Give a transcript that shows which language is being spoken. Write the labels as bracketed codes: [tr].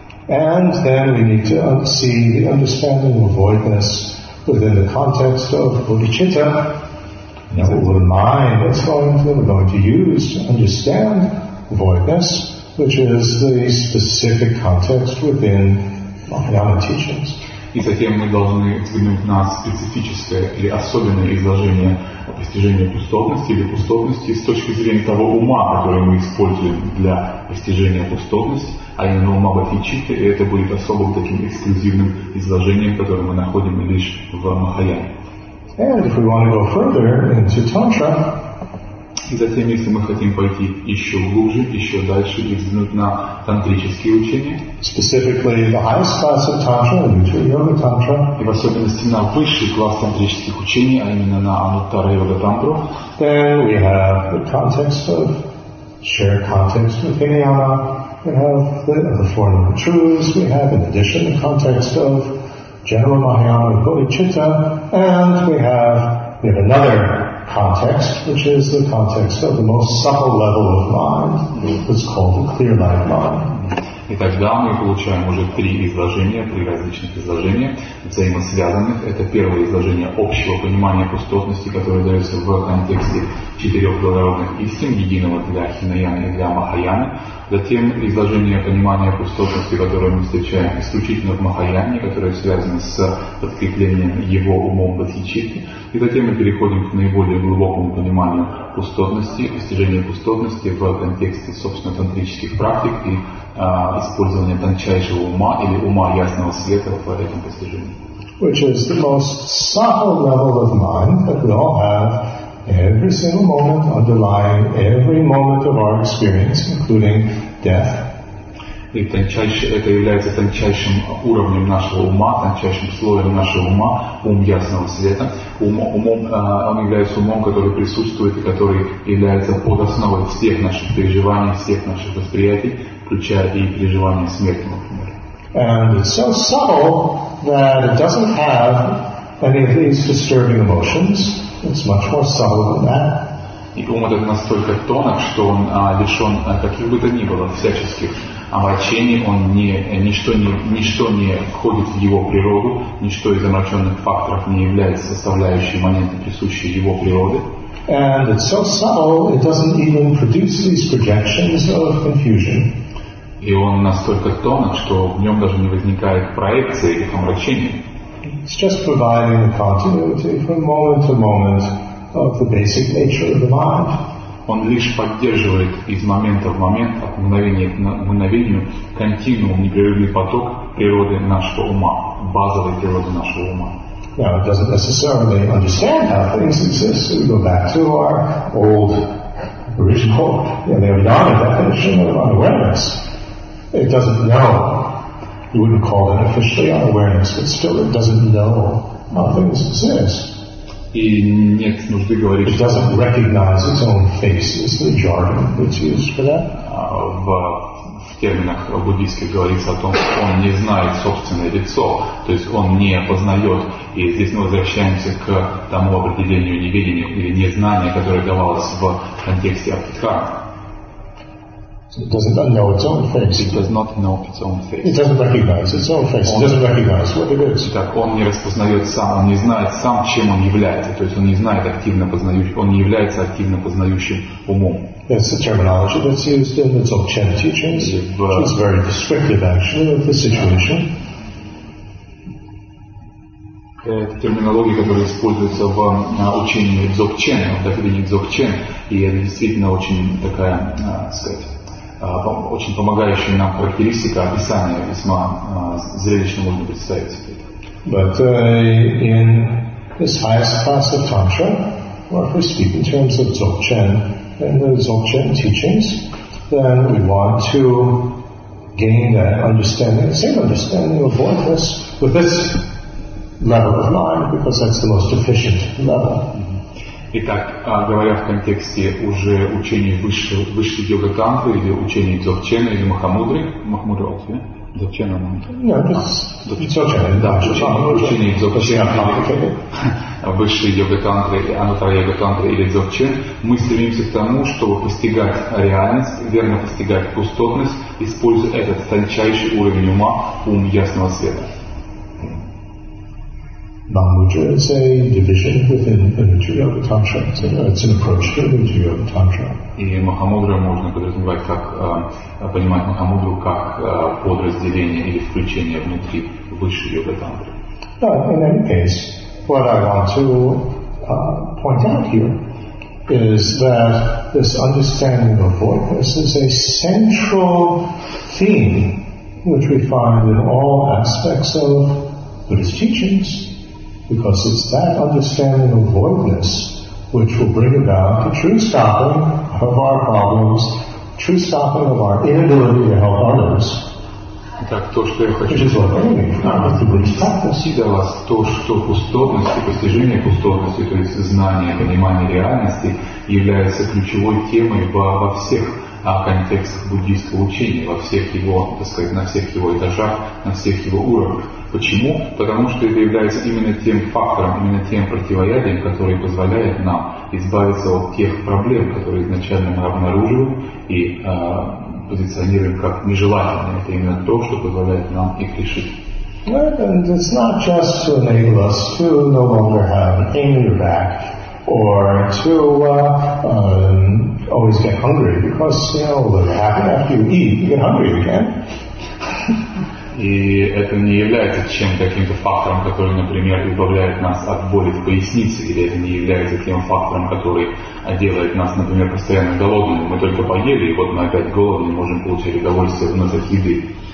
[en] And then we need to see the understanding of voidness within the context of bodhicitta. Now, what will the mind that's going to, we're going to use to understand voidness, which is the specific context within Mahayana teachings. [ru] И затем мы должны взглянуть на специфическое или особенное изложение о постижении пустотности или пустотности с точки зрения того ума, который мы используем для постижения пустотности, а именно ума бодхичитты, и это будет особым таким эксклюзивным изложением, которое мы находим лишь в Махаяне. [en] And if we want to go further into Tantra, [ru] и затем, если мы хотим пойти еще глубже, еще дальше, и взглянуть на тантрические учения, [en] specifically the highest class of Tantra, Yoga Tantra, [ru] и в особенности на высший класс тантрических учений, а именно на Ануттара Йога Тантру, [en] then we have the context of shared context with Hinayana, we have the Four Noble Truths, we have in addition the context of General Mahayana and Bodhicitta, and we have another context, which is the context of the most subtle level of mind, which is called the clear light mind. [ru] И тогда мы получаем уже три изложения, три различных изложения, взаимосвязанных. Это первое изложение общего понимания пустотности, которое дается в контексте четырех благородных истин, единого для Хинаяны и для Махаяны. Затем изложение понимания пустотности, которое мы встречаем исключительно в Махаяне, которое связано с подкреплением его умом бодхичитты. И затем мы переходим к наиболее глубокому пониманию пустотности, достижению пустотности в контексте, собственно, тантрических практик и использования тончайшего ума или ума ясного света в этом постижении. [en] Which is the most subtle level of mind that we all have every single moment underlying every moment of our experience, including death. [ru] И это является тончайшим уровнем нашего ума, тончайшим слоем нашего ума, ум ясного света. Он является умом, который присутствует и который является подосновой всех наших переживаний, всех наших восприятий, включая и переживания смерти, например. [en] And it's so subtle that it doesn't have any of these disturbing emotions. It's much more subtle than that. [ru] И ум этот настолько тонок, что он лишен каких бы то ни было всяческих омрачений, ничто не входит в его природу, ничто из омраченных факторов не является составляющей моментом, присущей его природе. [en] And it's so subtle, it doesn't even produce these projections of confusion. [ru] И он настолько тонок, что в нем даже не возникает проекции или омрачения. [en] It's just providing the continuity from moment to moment of the basic nature of the mind. [ru] Он лишь поддерживает из момента в момент, от мгновения к мгновению, континуум, непрерывный поток природы нашего ума, базовой природы нашего ума. [en] Now, it doesn't necessarily understand how things exist. We go back to our old original, Nirvana definition of unawareness. It doesn't know. You wouldn't call it officially unawareness, but still it doesn't know how things exist. [ru] И нет нужды говорить, [en] it doesn't recognize its own face, is the jargon that's used for that. [ru] В терминах буддийских говорится о том, что он не знает собственное лицо, то есть он не познает. И здесь мы возвращаемся к тому определению неведения или незнания, которое давалось в контексте Абхидхармы. [en] So it doesn't know its own face. It does not know its own face. It doesn't recognize its own face. It doesn't recognize what it is. [ru] Итак, он не распознает сам, он не знает сам, чем он является. То есть он не знает активно познающим, он не является активно познающим умом. [en] That's the terminology that's used in the Dzogchen teachings. It's very descriptive, actually, of the situation. [ru] Это терминология, которая используется в учении Дзогчен, в доктрине Дзогчен, и это действительно очень такая, очень помогающая нам характеристика, описание весьма зрелищно можно представить себе. [en] But in this highest class of Tantra, or if we speak in terms of Dzogchen, in the Dzogchen teachings, then we want to gain that understanding, the same understanding of oneness with this level of mind, because that's the most efficient level. [ru] Итак, говоря в контексте уже учений высшей йога-тантры или учений Дзогчена или Махамудры, высшей йога-тантры, Анатара йога-тантры или Дзогчен, мы стремимся к тому, чтобы постигать реальность, верно постигать пустотность, используя этот тончайший уровень ума, ум ясного света. [en] Mahamudra is a division within the Vajra Yoga Tantra. It's an approach to the Vajra Yoga Tantra. [ru] И Махамудра можно подразумевать как понимать Махамудру как подразделение или включение внутри высшей йога тантры. [en] But in any case, what I want to point out here is that this understanding of voidness is a central theme which we find in all aspects of Buddhist teachings, because it's that understanding of voidness which will bring about the true stopping of our problems, true stopping of our inability to help others. [ru] Так, то, что я хочу сказать, вас, то, что пустотность и постижение пустотности, то есть знание, понимание реальности, является ключевой темой во всех контекстах буддийского учения, во всех его, так сказать, на всех его этажах, на всех его уровнях. Почему? Потому что это является именно тем фактором, именно тем противоядием, который позволяет нам избавиться от тех проблем, которые изначально мы обнаруживаем и позиционируем как нежелательные. Это именно то, что позволяет нам их решить. [en] Well, and it's not just to enable us to no longer have an angry back or to always get hungry, because you know what happens after you eat, you get hungry again. [ru] И это не является чем-то каким-то фактором, который, например, избавляет нас от боли в пояснице, или это не является тем фактором, который делает нас, например, постоянно голодными. Мы только поели, и вот мы опять голодны, можем получить удовольствие вновь от еды.